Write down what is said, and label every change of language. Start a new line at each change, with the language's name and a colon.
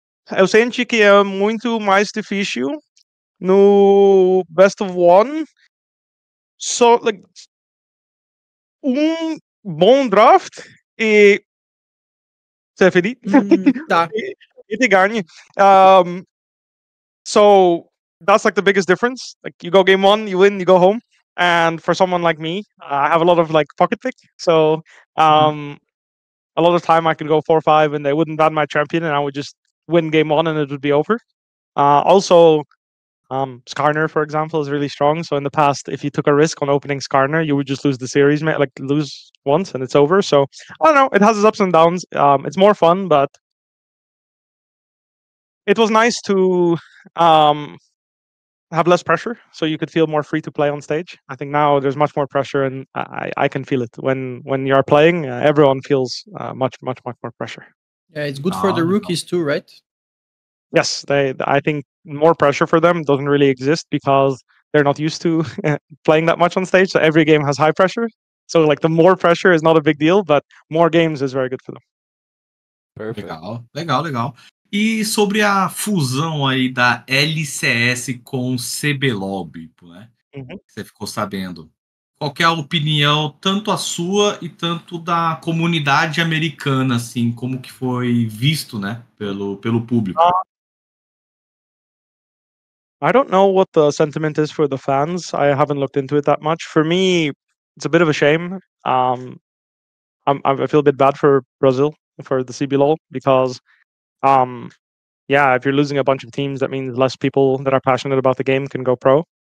Portuguese: Eu senti que é muito mais difícil no Best of One. Só, um bom draft e você é feliz? Tá. E te ganha.
English: So, that's like the biggest difference. Like, you go game one, you win, you go home. And for someone like me, I have a lot of like pocket pick. So, a lot of time I could go 4-5 and they wouldn't ban my champion and I would just win game one and it would be over. Also, Skarner, for example, is really strong. So in the past, if you took a risk on opening Skarner, you would just lose the series, like lose once and it's over. So I don't know. It has its ups and downs. It's more fun, but it was nice to have less pressure so you could feel more free to play on stage. I think now there's much more pressure and I can feel it. When you are playing, everyone feels much, much, much more pressure. Yeah, it's good for the rookies too, right? Yes, I think more pressure for them doesn't really exist because they're not used to playing that much on stage. So every game has high pressure. So like the more pressure is not a big deal, but more games is very good for them. Perfect. Legal.
Portuguese: E sobre a fusão aí da LCS com CBLOB, né? Uhum. Você ficou sabendo. Qual que é a opinião, tanto a sua e tanto da comunidade americana, assim, como que foi visto, né, pelo público?
English: I don't know what the sentiment is for the fans. I haven't looked into it that much. For me, it's a bit of a shame. I feel a bit bad for Brazil, for the CBLOL, because, if you're losing a bunch of teams, that means less people that are passionate about the game can go pro.